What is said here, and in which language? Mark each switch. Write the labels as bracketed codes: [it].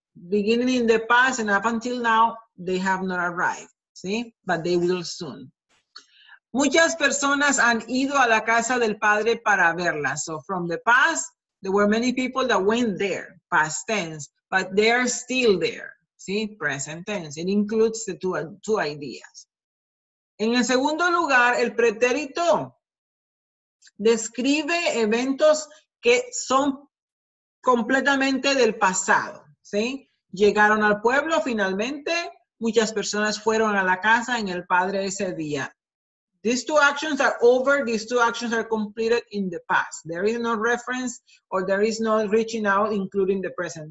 [en] Beginning in the past and up until now, they have not arrived, [es] ¿sí? [en] But they will soon. [es] Muchas personas han ido a la casa del padre para verla. [en] So from the past, there were many people that went there, past tense. But they are still there, [es] ¿sí? [en] Present tense. It includes the two ideas. [es] En el segundo lugar, el pretérito describe eventos que son completamente del pasado, ¿sí? Llegaron al pueblo finalmente, muchas personas fueron a la casa en el Padre ese día. [en] These two actions are over. These two actions are completed in the past. There is no reference or there is no reaching out, including the present.